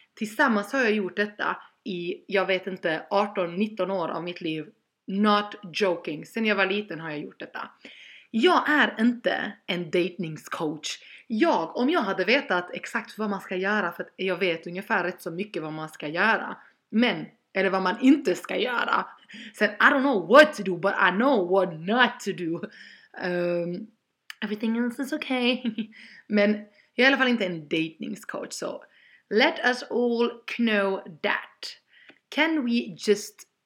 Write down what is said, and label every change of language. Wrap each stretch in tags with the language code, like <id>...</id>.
<sv>Tillsammans har jag gjort detta i, jag vet inte, 18-19 år av mitt liv.</sv> <en>Not joking.</en> <sv>Sen jag var liten har jag gjort detta. Jag är inte en dejtningscoach. Jag, om jag hade vetat exakt vad man ska göra, för att jag vet ungefär rätt så mycket vad man ska göra, men, eller vad man inte ska göra. Sen,</sv> <en>I don't know what to do, but I know what not to do. Everything else is okay.</en> <sv>Men, jag är i alla fall inte en dejtningscoach, så...</sv> <en>Let us all know that. Can we just...</en>